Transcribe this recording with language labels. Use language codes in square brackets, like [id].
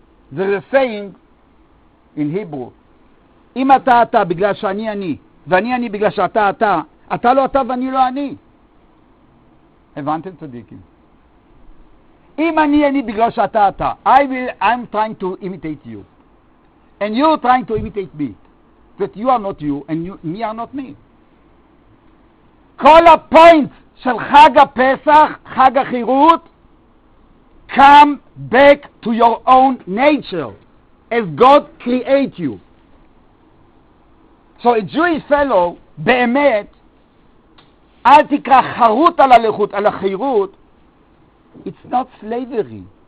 [en] There's a saying in Hebrew, [he] אם אתה אתה בגלל שאני אני, ואני אני בגלל שאתה אתה, אתה לא אתה ואני לא אני. הבנתם צדיקים? אם אני אני בגלל שאתה אתה, [en] I'm trying to imitate you, and you're trying to imitate me, that you are not you, and you, me are not me. [he] כל הפוינט של חג הפסח, חג החירות, [en] come back to your own nature as God create you. So a Jewish fellow, [he] באמת, אל תקרא חרות על הלכות, על החירות, [en] it's not slavery.